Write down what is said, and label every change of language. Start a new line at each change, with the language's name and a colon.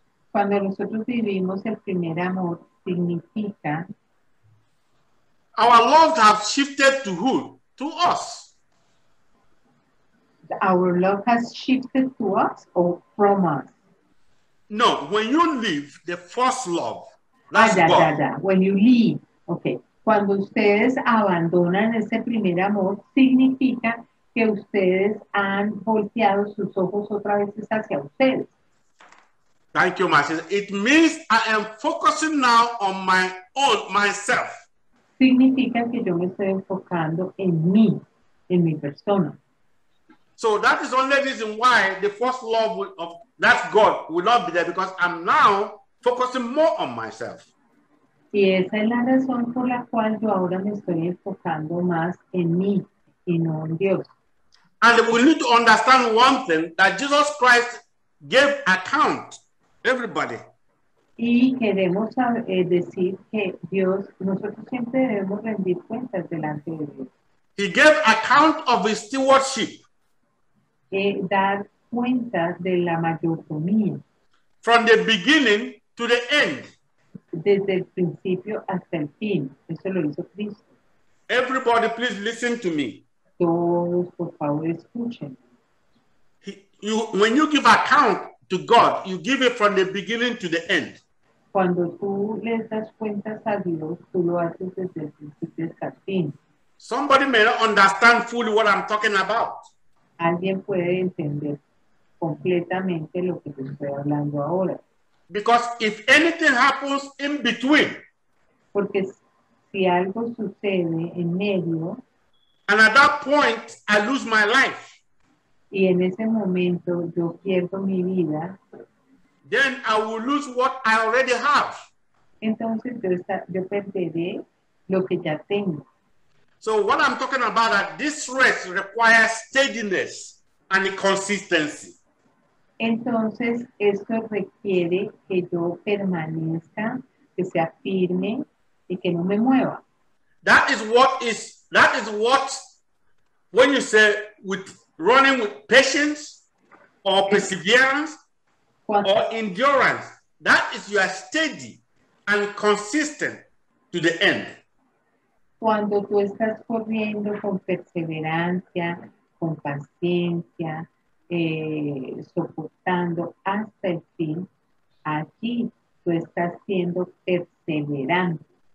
Spanish: Cuando nosotros vivimos el primer amor, significa.
English: Our love has shifted to who? To us. Our love has shifted to us or from us? No, when you leave the first love, that's God. When you leave, okay.
Spanish: Cuando ustedes abandonan ese primer amor, significa que ustedes han volteado sus ojos otra vez hacia ustedes.
English: Thank you, Master. It means I am focusing now on my own, myself.
Spanish: Significa que yo me estoy enfocando en mí, en mi persona.
English: So that is the only reason why the first love of that God will not be there, because I'm now focusing more on myself.
Spanish: Y esa es la razón por la cual yo ahora me estoy enfocando más en mí y no en Dios.
English: And we need to understand one thing, that Jesus Christ gave account, everybody.
Spanish: Y queremos decir que Dios, nosotros siempre debemos rendir cuentas delante de Dios.
English: He gave account of his stewardship.
Spanish: Dar cuenta de la mayordomía.
English: From the beginning to the end.
Spanish: Desde el principio hasta el fin. Eso lo hizo Cristo.
English: Everybody, please listen to me.
Spanish: Todos, por favor, escuchen.
English: When you give account to God, you give it from the beginning to the end.
Spanish: Cuando tú le das cuentas a Dios, tú lo haces desde el principio hasta el fin.
English: Somebody may not understand fully what I'm talking about.
Spanish: Alguien puede entender completamente lo que te estoy hablando ahora.
English: Because if anything happens in between,
Spanish: porque si algo sucede en medio,
English: and at that point I lose my life,
Spanish: y en ese momento yo pierdo mi vida,
English: then I will lose what I already have.
Spanish: Entonces yo perderé lo que ya tengo.
English: So what I'm talking about, that this rest requires steadiness and consistency.
Spanish: Entonces, esto requiere que yo permanezca, que sea firme y que no me mueva.
English: That is what, when you say with running with patience or perseverance or endurance, that is you are steady and consistent to the end.
Spanish: Cuando tú estás corriendo con perseverancia, con paciencia, soportando hasta el fin, aquí tú estás siendo perseverante.